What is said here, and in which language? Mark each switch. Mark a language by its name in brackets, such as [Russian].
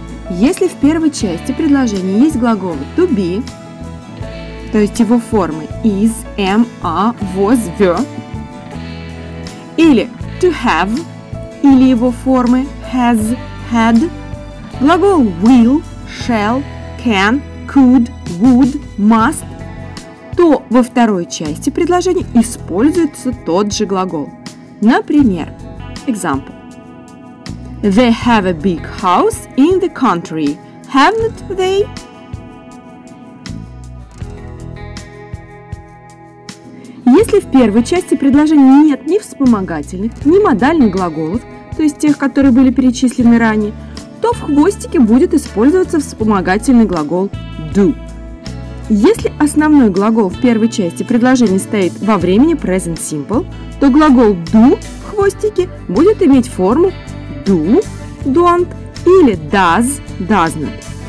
[Russian] Если в первой части предложения есть глагол [English] to be, [Russian] то есть его формы [English] is, am, are, was, were, [Russian] или [English] to have, [Russian] или его формы [English] has, had, [Russian] глагол [English] will, shall, can, could, would, must, [Russian] то во второй части предложения используется тот же глагол. Например, [English] example. They have a big house in the country, haven't they? [Russian] Если в первой части предложения нет ни вспомогательных, ни модальных глаголов, то есть тех, которые были перечислены ранее, то в хвостике будет использоваться вспомогательный глагол do. Если основной глагол в первой части предложения стоит во времени [English] present simple, [Russian] то глагол do в хвостике будет иметь форму do, don't или [English] does, does not.